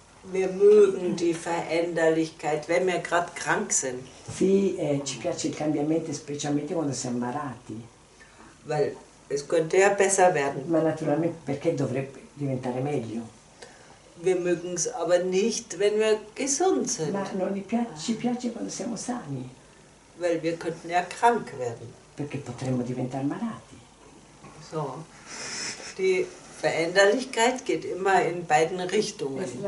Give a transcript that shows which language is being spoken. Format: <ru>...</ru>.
<de>Wir mögen die Veränderlichkeit, wenn wir gerade krank sind.</de> <it>Sì, ci piace il cambiamento, specialmente quando siamo malati.</it> <de>Weil es könnte ja besser werden.</de> <it>Ma naturalmente, perché dovrebbe diventare meglio.</it> <de>Wir mögen es aber nicht, wenn wir gesund sind.</de> <it>Ma non ci piace quando siamo sani.</it> <de>Weil wir könnten ja krank werden.</de> <it>Perché potremmo diventare malati.</it> <de>So, die Veränderlichkeit geht immer in beiden Richtungen.</de>